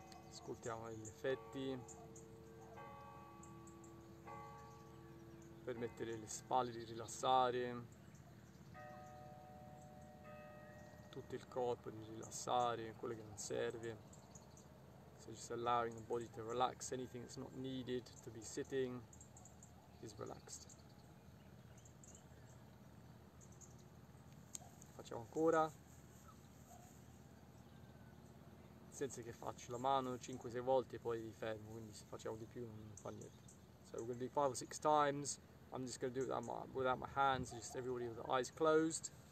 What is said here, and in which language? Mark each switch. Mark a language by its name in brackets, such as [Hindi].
[Italian] Ascoltiamo gli effetti. Permettere le spalle di rilassare. Tutto il corpo di rilassare, quello che non serve. [English] So just allowing the body to relax, anything that's not needed to be sitting is relaxed. [Italian] Facciamo ancora. Senza che faccio la mano 5-6 volte e poi mi fermo, quindi se facciamo di più non fa niente. [English] So we're going to do 5 or 6 times. I'm just going to do it without my hands, just everybody with the eyes closed.